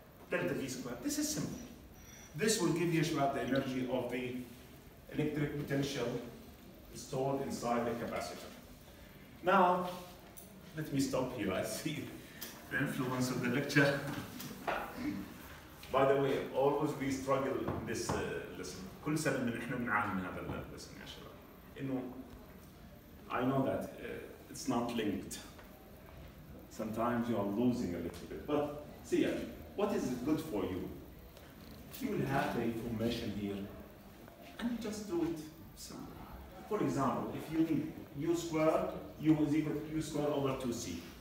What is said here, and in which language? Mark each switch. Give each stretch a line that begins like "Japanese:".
English: Delta V squared, this is simple. This will give you about the energy of the electric potential stored inside the capacitor. Now, let me stop here. I see the influence of the lecture. By the way, always we struggle in this lesson.
Arabic: كل سنة من إحنا بنعاني من هذا اللسن يا شباب.
English: إنه I know that it's not linked. Sometimes you are losing a little bit. But see, what is good for you? You will have the information here, and you just do it. So, for example, if you need u squared, u is equal to u squared over 2c.